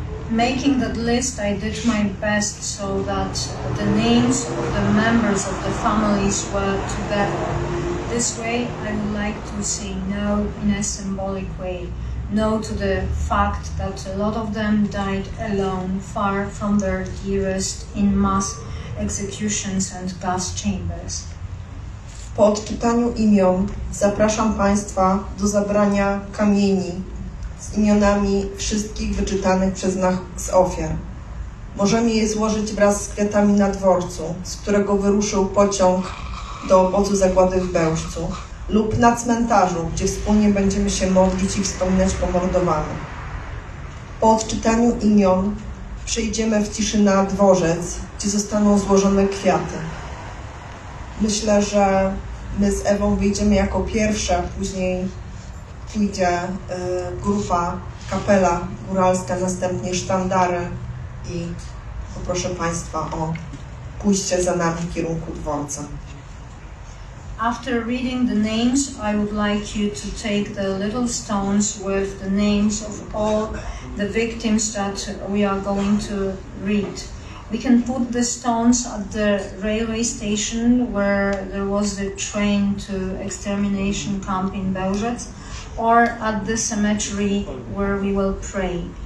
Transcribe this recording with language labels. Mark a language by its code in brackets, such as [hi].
[en] Making that list, I did my best so that the names of the members of the families were together. This way, I would like to say no in a symbolic way. No to the fact that a lot of them died alone, far from their dearest, in mass executions and gas chambers. [pl] Po odczytaniu imion zapraszam Państwa do zabrania kamieni z imionami wszystkich wyczytanych przez nas ofiar. Możemy je złożyć wraz z kwiatami na dworcu, z którego wyruszył pociąg do obozu zagłady w Bełżcu, lub na cmentarzu, gdzie wspólnie będziemy się modlić i wspominać pomordowanych. Po odczytaniu imion przejdziemy w ciszy na dworzec, gdzie zostaną złożone kwiaty. Myślę, że my z Ewą wyjdziemy jako pierwsze, później pójdzie grupa, kapela góralska, następnie sztandary i poproszę Państwa o pójście za nami w kierunku dworca. [en] After reading the names, I would like you to take the little stones with the names of all the victims that we are going to read. We can put the stones at the railway station where there was the train to extermination camp in Bełżec, or at the cemetery where we will pray.